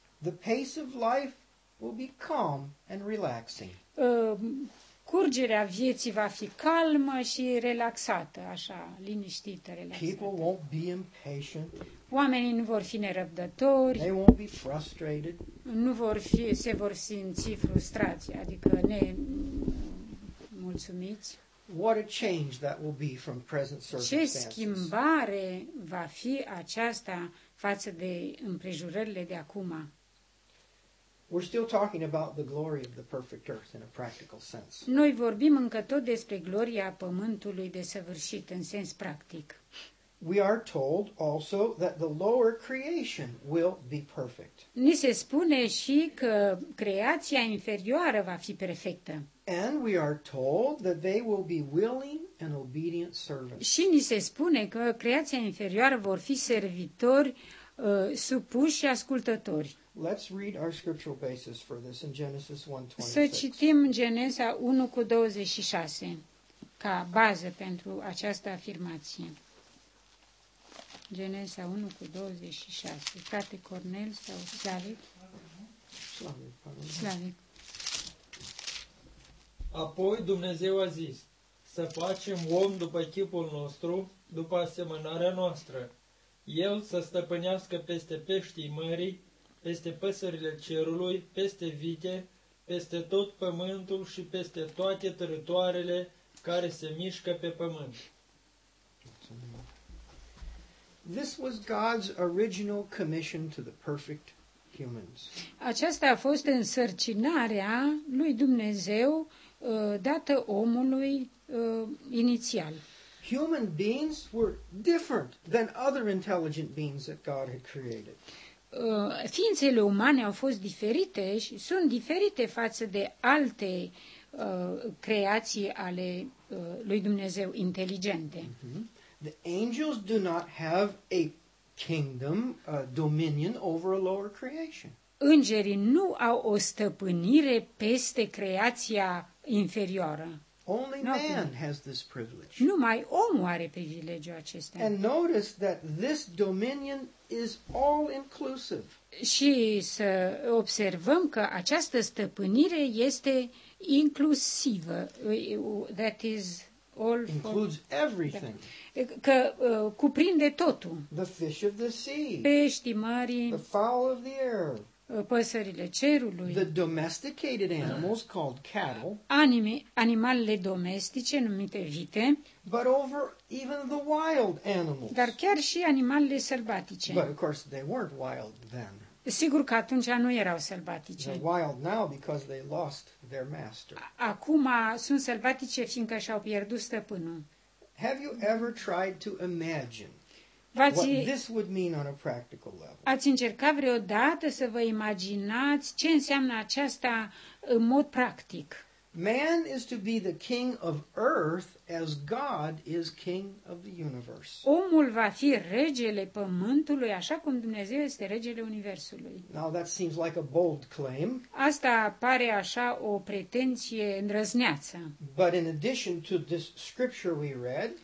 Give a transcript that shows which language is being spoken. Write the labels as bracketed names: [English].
[English] The pace of life will be calm and relaxing. [Romanian] Curgerea vieții va fi calmă și relaxată, așa, liniștită, relaxată. [English] People won't be impatient. [Romanian] Oamenii nu vor fi nerăbdători. [English] They won't be frustrated. [Romanian] Se vor simți frustrați, adică nemulțumiți. [English] What a change that will be from present circumstances. [Romanian] Ce schimbare va fi aceasta față de împrejurările de acum. [English] We're still talking about the glory of the perfect earth in a practical sense. [Romanian] Noi vorbim încă tot despre gloria pământului desăvârșit în sens practic. [English] We are told also that the lower creation will be perfect. [Romanian] Ni se spune și că creația inferioară va fi perfectă. [English] And we are told that they will be willing and obedient servants. [Romanian] Și ni se spune că creația inferioară vor fi servitori supuși și ascultători. [English] Let's read our scriptural basis for this in Genesis 1:26. [Romanian] Să citim Geneza 1:26 ca bază pentru această afirmație. Geneza 1:26. Frate Cornel sau Slavic? Slavic. Apoi Dumnezeu a zis, să facem om după chipul nostru, după asemănarea noastră. El să stăpânească peste peștii mării, peste păsările cerului, peste vite, peste tot pământul și peste toate teritoriile care se mișcă pe pământ. [English] This was God's original commission to the perfect humans. [Romanian] Aceasta a fost însărcinarea lui Dumnezeu dată omului inițial. [English] Human beings were different than other intelligent beings that God had created. [Romanian] Ființele umane au fost diferite și sunt diferite față de alte creații ale lui Dumnezeu inteligente. [English] The angels do not have a kingdom, a dominion over a lower creation. [Romanian] Îngerii nu au o stăpânire peste creația inferioară. [English] Only man has this privilege. [Romanian] Numai omul are privilegiul acesta. [English] And notice that this dominion is all inclusive. [Romanian] Și să observăm că această stăpânire este inclusivă. [English] That is all includes for... everything. [Romanian] Că cuprinde totul. [English] The fish of the sea. [Romanian] Peștii mari. [English] The fowl of the air. [Romanian] Păsările cerului, [English] the domesticated animals called cattle, [Romanian] animalele domestice numite vite, [English] but over even the wild animals, [Romanian] dar chiar și animalele sălbatice. [English] But of course they weren't wild then. [Romanian] Sigur că atunci nu erau sălbatice. [English] They're wild now because they lost their master. [Romanian] Acum sunt sălbatice fiindcă și-au pierdut stăpânul. [English] Have you ever tried to imagine what this would mean on a practical level? [Romanian] Ați încercat vreodată să vă imaginați ce înseamnă aceasta în mod practic? [English] Man is to be the king of earth as God is king of the universe. [Romanian] Omul va fi regele pământului așa cum Dumnezeu este regele universului. [English] Now that seems like a bold claim. [Romanian] Asta pare așa o pretenție îndrăzneață. [English] But in addition to this scripture we read,